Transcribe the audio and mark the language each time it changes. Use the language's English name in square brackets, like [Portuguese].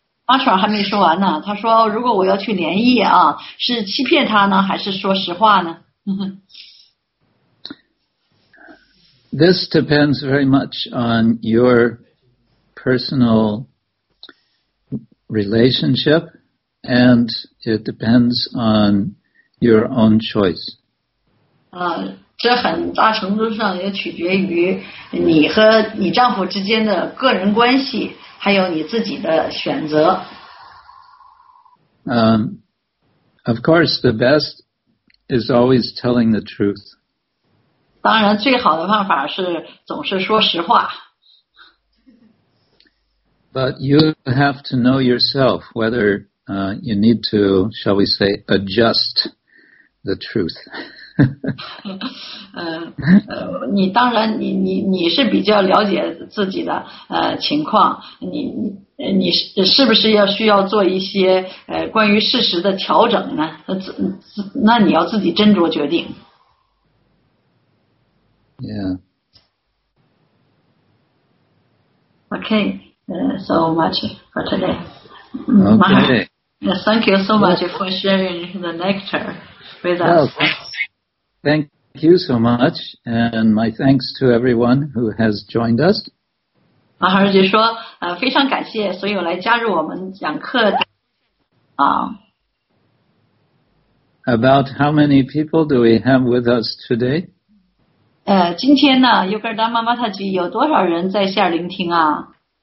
[Chinese] Mantra 还没说完呢，他说如果我要去联谊啊，是欺骗他呢，还是说实话呢？ [English] This depends very much on your personal relationship, and it depends on your own choice. [Chinese] 这很大程度上也取决于你和你丈夫之间的个人关系，还有你自己的选择。 [English] Of course, the best is always telling the truth. [Chinese] 当然，最好的办法是总是说实话。 [English] But you have to know yourself whether you need to, shall we say, adjust the truth. [Chinese] 你当然你是比较了解自己的情况，你是不是要需要做一些关于事实的调整呢？那你要自己斟酌决定。 [English] Yeah. Okay. So much for today. Okay. Thank you so much for sharing the nectar with us. Thank you so much, and my thanks to everyone who has joined us. [Chinese] 马哈尔姐说，非常感谢所有来加入我们讲课的。 [English] About how many people do we have with us today? [Chinese] 今天呢，尤格达妈妈她局有多少人在线聆听啊？